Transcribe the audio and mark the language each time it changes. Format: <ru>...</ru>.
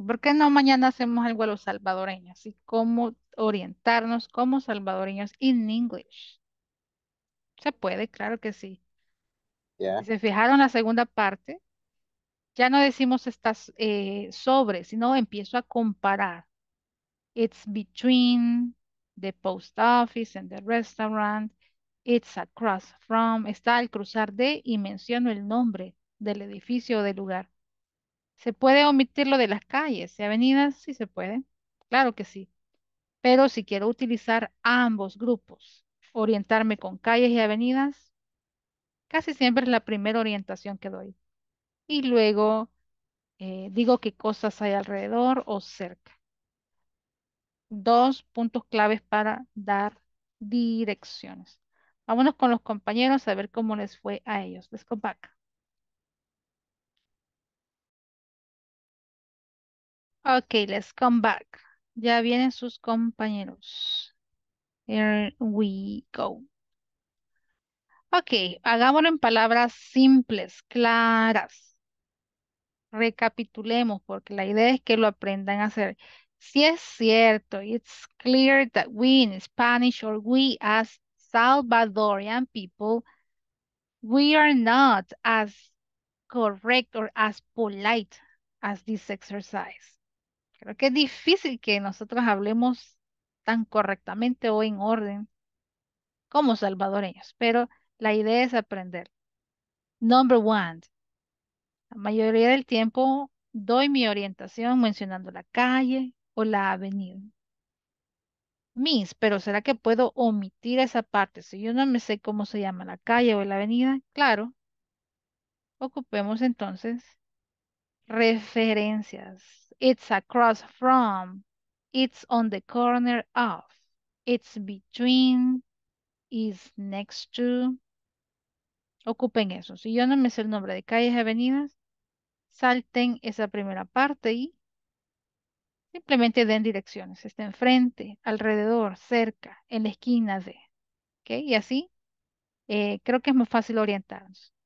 <es>¿Por qué no mañana hacemos algo a los salvadoreños? ¿Sí? ¿Cómo orientarnos como salvadoreños</es> <en>in English?</en> <es>Se puede, claro que sí.</es> <en>Yeah.</en> <es>Si se fijaron la segunda parte, ya no decimos estas sobre, sino empiezo a comparar.</es> <en>It's between the post office and the restaurant. It's across from.</en> <es>Está al cruzar de y menciono el nombre del edificio o del lugar. ¿Se puede omitir lo de las calles y avenidas? Sí se puede. Claro que sí. Pero si quiero utilizar ambos grupos, orientarme con calles y avenidas, casi siempre es la primera orientación que doy. Y luego digo qué cosas hay alrededor o cerca. Dos puntos claves para dar direcciones. Vámonos con los compañeros a ver cómo les fue a ellos.</es> <en>Let's go back. Ok, let's come back.</en> <es>Ya vienen sus compañeros.</es> <en>Here we go.</en> <es>Ok, hagámoslo en palabras simples, claras. Recapitulemos, porque la idea es que lo aprendan a hacer. Si es cierto,</es> <en>it's clear that we in Spanish, or we as Salvadorian people, we are not as correct or as polite as this exercise.</en> <es>Creo que es difícil que nosotros hablemos tan correctamente o en orden como salvadoreños, pero la idea es aprender.</es> <en>Number one,</en> <es>la mayoría del tiempo doy mi orientación mencionando la calle o la avenida. Miss, pero ¿será que puedo omitir esa parte? Si yo no me sé cómo se llama la calle o la avenida, claro. Ocupemos entonces referencias.</es> <en>It's across from, it's on the corner of, it's between, is next to.</en> <es>Ocupen eso. Si yo no me sé el nombre de calles y avenidas, salten esa primera parte y simplemente den direcciones. Está enfrente, alrededor, cerca, en la esquina de. ¿Okay? Y así creo que es más fácil orientarnos.</es>